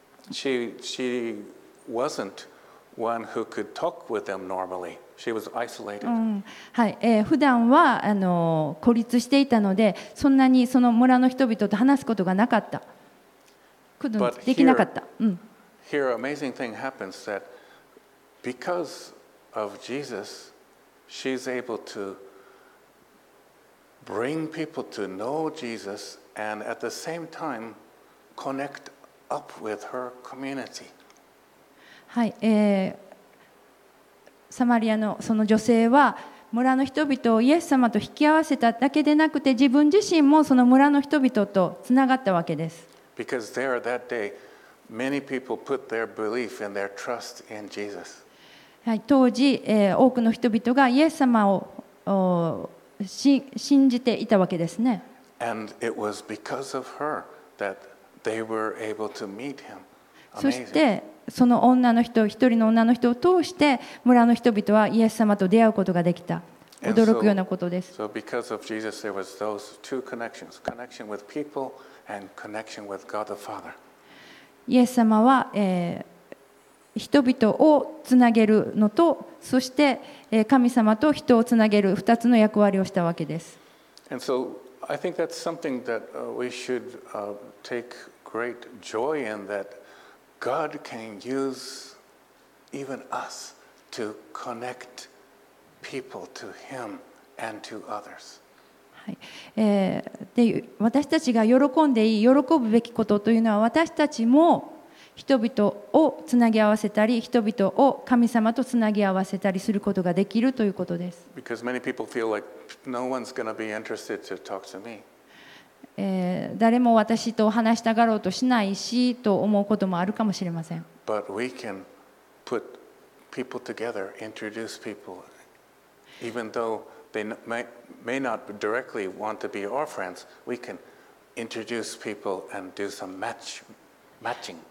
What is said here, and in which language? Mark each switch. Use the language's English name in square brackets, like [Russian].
[English] She wasn'tone who could talk with them normally. She was isolated. [Japanese] はい、普段は孤立していたので、そんなにその村の人々と話すことがなかった、できなかった。 [English] But here, here amazing thing happens that because of Jesus, she's able to bring people to know Jesus and at the same time connect up with her community. [Japanese] はい、サマリアのその女性は村の人々をイエス様と引き合わせただけでなくて、自分自身もその村の人々とつながったわけです。 [English] Because there that day, many people put their belief and their trust in Jesus. [Japanese] はい、当時、多くの人々がイエス様を信じていたわけですね。 [English] And it was because of her that they were able to meet him. Amazing. [Japanese] そしてその女の人、一人の女の人を通して村の人々はイエス様と出会うことができた。驚くようなことです。 [English] because of Jesus, there was those two connections, connection with people and connection with God the Father. [Japanese] イエス様は、人々をつなげるのと、そして、神様と人をつなげる二つの役割をしたわけです。 [English] And so I think that's something that we should take great joy in, thatGod can use even us to connect people to Him and to others. [Japanese] はい、で私たちが喜んでいい、喜ぶべきことというのは、私たちも人々をつなぎ合わせたり、人々を神様とつなぎ合わせたりすることができるということです。 [English] Because many people feel like no one's going to be interested to talk to me. [Japanese] 誰も私と話したがろうとしないしと思うこともあるかもしれません。 [English] But we can put people together, introduce people, even though they may not directly want to be our friends, we can introduce people and do some matching.、